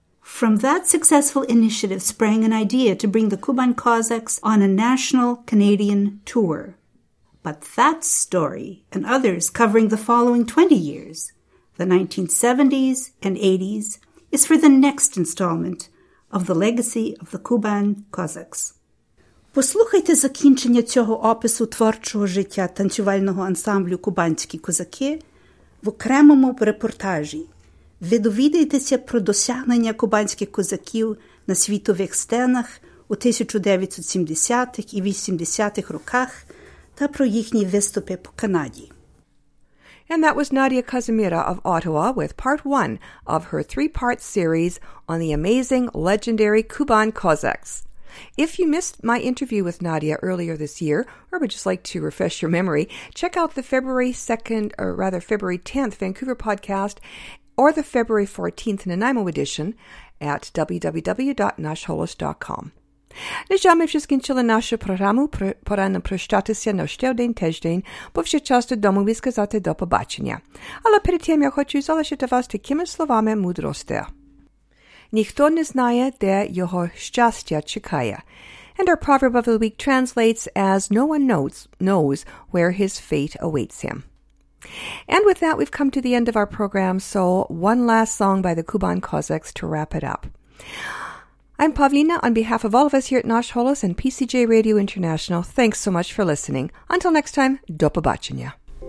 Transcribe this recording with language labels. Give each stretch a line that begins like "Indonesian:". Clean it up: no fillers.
English: From that successful initiative sprang an idea to bring the Kuban Cossacks on a national Canadian tour. But that story, and others covering the following 20 years, the 1970s and 80s, is for the next installment of The Legacy of the Kuban Cossacks.
Ukrainian: Послухайте закінчення цього опису творчого життя танцювального ансамблю «Кубанські козаки» в окремому репортажі. Ви довідаєтеся про досягнення кубанських козаків на світових сценах у 1970-х і 80-х роках та про їхні виступи по Канаді.
English: And that was Nadia Kazimira of Ottawa with part one of her three-part series on the amazing, legendary Kuban Cossacks. If you missed my interview with Nadia earlier this year, or would just like to refresh your memory, check out the February 10th Vancouver podcast or the February 14th Nanaimo edition at www.nashholos.com.
Ukrainian: Нежами всіх членів нашої програми порано прощатися на ще один тиждень, бо вже час додому сказати до побачення. Але перед тим я хочу залишити вас такими словами мудрості. Ніхто не знає, де його щастя чекає.
English: And our proverb of the week translates as no one knows where his fate awaits him. And with that, we've come to the end of our program, so one last song by the Kuban Cossacks to wrap it up. I'm Pavlina. On behalf of all of us here at Nosh Holos and PCJ Radio International, thanks so much for listening. Until next time,
Ukrainian: do pobaczenia.